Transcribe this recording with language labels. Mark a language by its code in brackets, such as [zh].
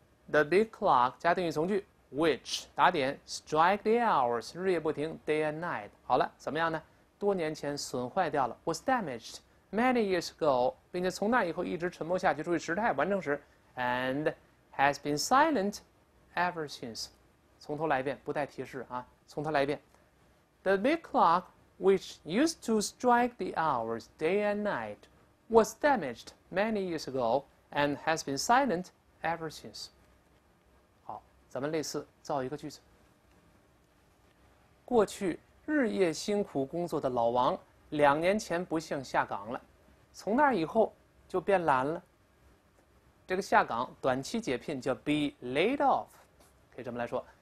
[en] The big clock [zh] 加定语从句 ，which 打点 [en] strike the hours [zh] 日夜不停 [en] day and night。 [zh] 好了，怎么样呢？多年前损坏掉了 ， [en] was damaged many years ago， [zh] 并且从那以后一直沉默下去。注意时态，完成时 ， [en] and has been silent ever since。 [zh] 从头来一遍，不带提示啊，从头来一遍。 [en] The big clock。 Which used to strike the hours day and night was damaged many years ago and has been silent ever since. [zh] 好，咱们类似造一个句子。过去日夜辛苦工作的老王2年前不幸下岗了，从那以后就变懒了。这个下岗短期解聘叫 [en] be laid off， [zh] 可以这么来说。